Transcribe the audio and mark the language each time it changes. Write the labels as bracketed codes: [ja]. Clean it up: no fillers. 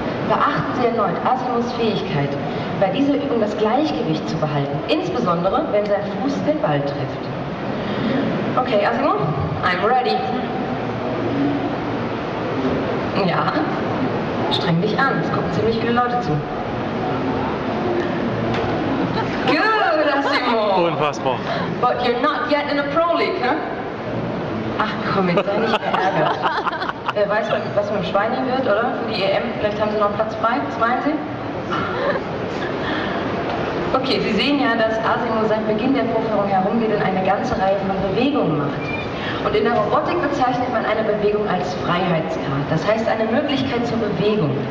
[de] Beachten Sie erneut Asimos Fähigkeit, bei dieser Übung das Gleichgewicht zu behalten, insbesondere wenn sein Fuß den Ball trifft. [en] Okay, Asimo, I'm ready. [de] Ja, streng dich an, es kommen ziemlich viele Leute zu. [en] Good, Asimo! [de] Unfassbar. [en] But you're not yet in a pro league, huh? [de] Ach komm, jetzt sei nicht verärgert. Wer weiß, was mit dem Schweini wird, oder? Für die EM, vielleicht haben sie noch Platz frei, was meinen Sie? Okay, Sie sehen ja, dass Asimo seit Beginn der Vorführung herumgeht und eine ganze Reihe von Bewegungen macht. Und in der Robotik bezeichnet man eine Bewegung als Freiheitsgrad, das heißt eine Möglichkeit zur Bewegung.